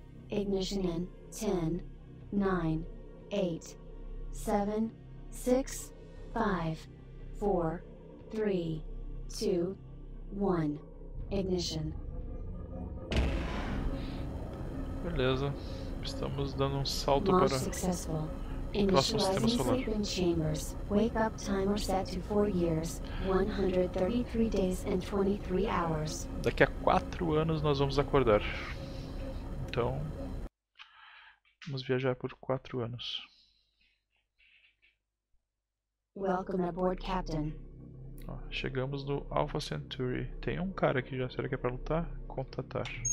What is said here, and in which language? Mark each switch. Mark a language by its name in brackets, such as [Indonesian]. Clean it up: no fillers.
[English] Ignition in 10, 9, 8, 7, 6, 5, 4, 3, 2, 1. Ignition. [Portuguese] Beleza. Estamos dando um salto para próximo sistema solar. [English] Sleeping chambers. Wake up timer set to 4 years, 133 days and 23 hours. [Portuguese] Daqui a 4 anos nós vamos acordar. Então, vamos viajar por 4 anos. [English] Welcome aboard, Captain. [Portuguese] Ó, chegamos no Alpha Centauri. Tem um cara aqui já, será que é para lutar? Contatar.